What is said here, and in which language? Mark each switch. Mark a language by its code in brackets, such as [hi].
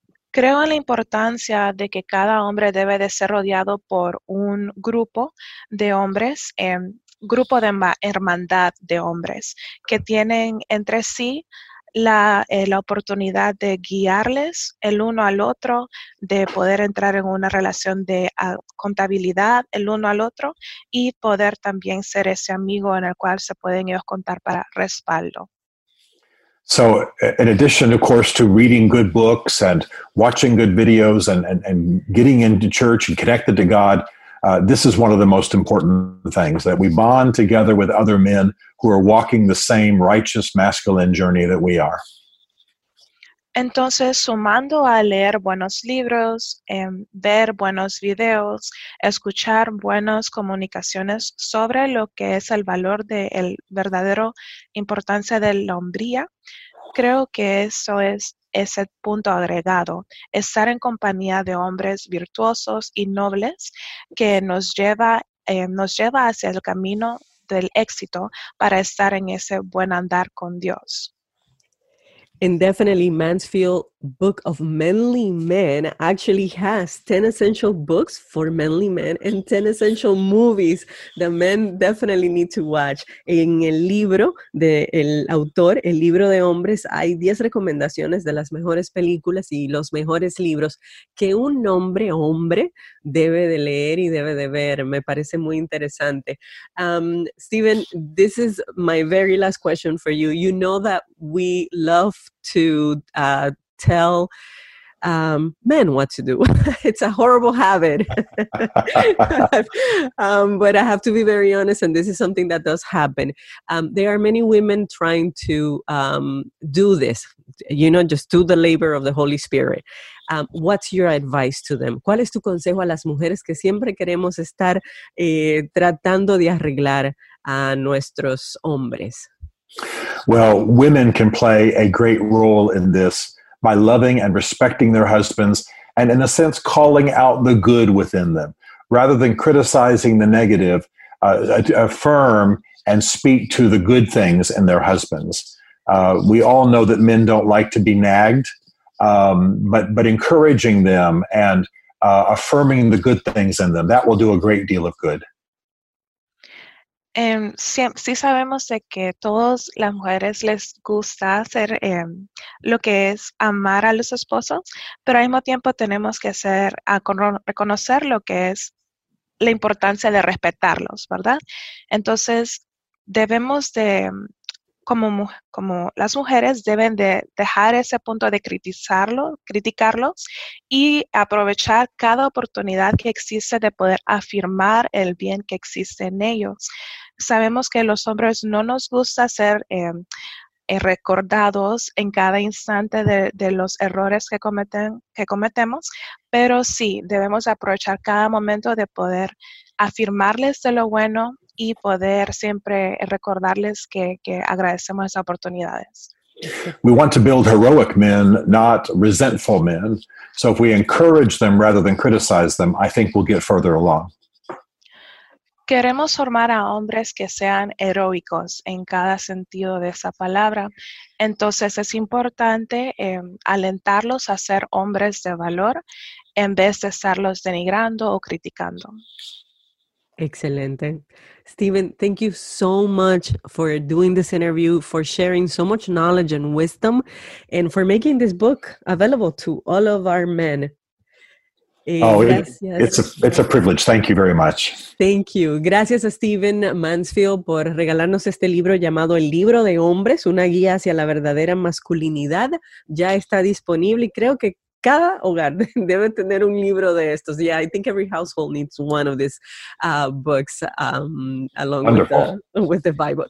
[es] Creo en la importancia de que cada hombre debe de ser rodeado por un grupo de hombres, grupo de hermandad de hombres, que tienen entre sí la oportunidad de guiarles el uno al otro, de poder entrar en una relación de contabilidad el uno al otro y poder también ser ese amigo en el cual se pueden ellos contar para respaldo. [en] So, in addition, of course, to reading good books and watching good videos and getting into church and connected to God, this is one of the most important things, that we bond together with other men who are walking the same righteous masculine journey that we are. [es] Entonces, sumando a leer buenos libros, ver buenos videos, escuchar buenas comunicaciones sobre lo que es el valor de el verdadero importancia de la hombría, creo que eso es ese punto agregado, estar en compañía de hombres virtuosos y nobles que nos lleva hacia el camino del éxito para estar en ese buen andar con Dios. [en] And definitely Mansfield Book of Manly Men actually has 10 essential books for manly men and 10 essential movies that men definitely need to watch. [es] En el libro del autor, el libro de hombres, hay 10 recomendaciones de las mejores películas y los mejores libros que un hombre debe de leer y debe de ver. Me parece muy interesante. [en] Steven, this is my very last question for you. You know that we love to tell men what to do. It's a horrible habit. but I have to be very honest, and this is something that does happen. There are many women trying to do this, you know, just do the labor of the Holy Spirit. What's your advice to them? [es] ¿Cuál es tu consejo a las mujeres que siempre queremos estar tratando de arreglar a nuestros hombres? [en] Well, women can play a great role in this by loving and respecting their husbands and, in a sense, calling out the good within them. Rather than criticizing the negative, affirm and speak to the good things in their husbands. We all know that men don't like to be nagged, but encouraging them and affirming the good things in them, that will do a great deal of good. [es] Sí sabemos de que todas las mujeres les gusta hacer lo que es amar a los esposos, pero al mismo tiempo tenemos que hacer reconocer lo que es la importancia de respetarlos, ¿verdad? Entonces debemos de como las mujeres deben de dejar ese punto de criticarlos y aprovechar cada oportunidad que existe de poder afirmar el bien que existe en ellos. Sabemos que los hombres no nos gusta ser recordados en cada instante de los errores que cometemos, pero sí, debemos aprovechar cada momento de poder afirmarles de lo bueno y poder siempre recordarles que agradecemos esas oportunidades. [en] We want to build heroic men, not resentful men. So if we encourage them rather than criticize them, I think we'll get further along. [es] Queremos formar a hombres que sean heroicos en cada sentido de esa palabra. Entonces es importante alentarlos a ser hombres de valor en vez de estarlos denigrando o criticando. Excelente. [en] Steven, thank you so much for doing this interview, for sharing so much knowledge and wisdom, and for making this book available to all of our men. It's a privilege. Thank you very much. Thank you. [es] Gracias a Steven Mansfield por regalarnos este libro llamado El Libro de Hombres, una guía hacia la verdadera masculinidad. Ya está disponible y creo que cada hogar debe tener un libro de estos. [en] Yeah, I think every household needs one of these books along with the Bible.